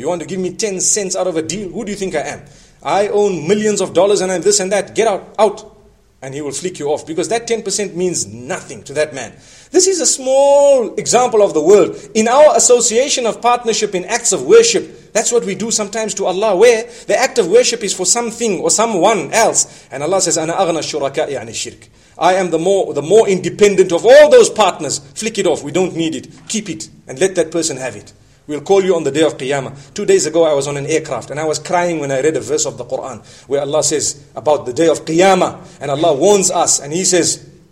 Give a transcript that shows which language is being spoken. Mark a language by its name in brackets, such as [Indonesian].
[English] You want to give me 10 cents out of a deal? Who do you think I am? I own millions of dollars and I'm this and that. Get out, out. And he will flick you off because that 10% means nothing to that man. This is a small example of the world. In our association of partnership in acts of worship, that's what we do sometimes to Allah, where the act of worship is for something or someone else. [Arabic] And Allah says, أَنَا أَغْنَى الشُّرَكَاءِ عَنِ الشِّرْكِ. [English] I am the more independent of all those partners. Flick it off. We don't need it. Keep it and let that person have it. We'll call you on the day of Qiyamah. 2 days ago, I was on an aircraft and I was crying when I read a verse of the Quran where Allah says about the day of Qiyamah, and Allah warns us and He says,